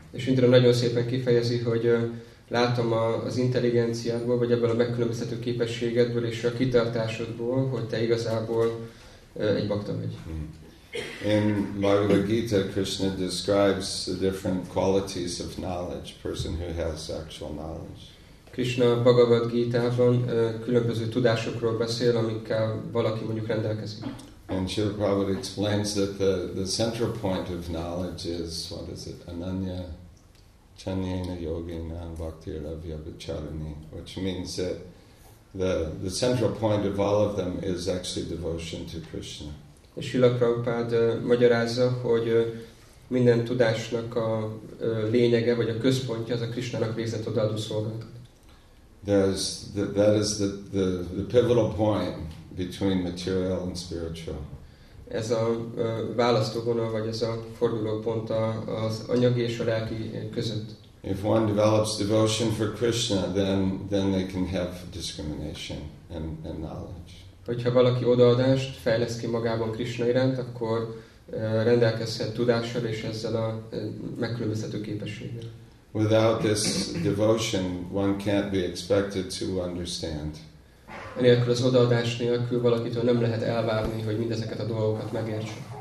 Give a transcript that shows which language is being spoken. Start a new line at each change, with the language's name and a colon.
Hungarian: És Indra nagyon szépen kifejezi, hogy látom az intelligenciádból, vagy ebből a megkülönböztető képességedből és a kitartásodból, hogy te igazából egy bhakta vagy.
English: In Bhagavad Gita, Krishna describes the different qualities of knowledge, person who has actual knowledge.
Hungarian: Krishna Bhagavad Gita-ban különböző tudásokról beszél, amikkel valaki mondjuk rendelkezik.
English: And Srila Prabhupada explains that the central point of knowledge is, what is it, ananya, chanyena, yogena, bhakti, ravya, vicharani, which means that the central point of all of them is actually devotion to Krishna.
Hungarian: És Srila Prabhupada magyarázza, hogy minden tudásnak a lényege, vagy a központja, az a Krishnának végzett odaadó szolgálat.
English: That is the pivotal point between material and spiritual.
Hungarian: Ez a választóvonal, vagy ez a fordulópont az anyagi és a lelki között.
English: If one develops devotion for Krishna, then they can have discrimination and knowledge.
Hungarian: Hogyha valaki odaadást fejleszt ki magában Krishna iránt, akkor rendelkezhet tudással és ezzel a megkülönböztető képességgel.
English: Without this devotion, one can't be expected to understand.
Hungarian: Enélkül az odaadás nélkül valakitől nem lehet elvárni, hogy mindezeket a dolgokat megértse.